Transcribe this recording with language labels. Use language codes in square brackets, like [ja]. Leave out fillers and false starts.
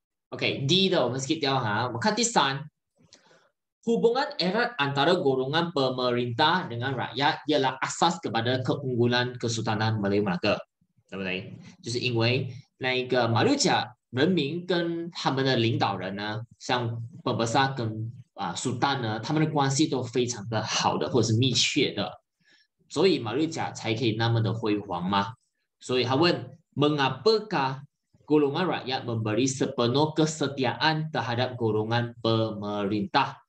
[zh] OK，D 的我们 skip 掉哈。 [ms] 我看第三，hubungan erat antara golongan pemerintah dengan rakyat ialah asas kepada keunggulan Kesultanan Melayu Melaka， [zh] 对不对？就是因为那个马六甲人民跟他们的领导人呢，像巴巴萨跟苏丹呢，他们的关系都非常的好的，或者是密切的，所以马六甲才可以那么的辉煌嘛。所以他问， [ms] mengapakah golongan rakyat memberi sepenuh kesetiaan terhadap golongan pemerintah？